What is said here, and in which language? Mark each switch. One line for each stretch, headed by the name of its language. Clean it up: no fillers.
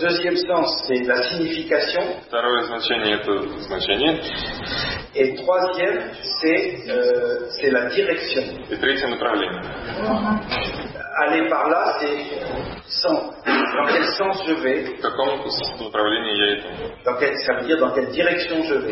French: Deuxième sens, c'est la signification.
Russian: Второе значение, это значение.
French: Et troisième, c'est la direction. Et
Russian: третье направление.
French: Aller par là, c'est sans. Dans quel sens je vais?
Russian: В каком направлении я иду?
French: Ça veut dire dans quelle direction je vais?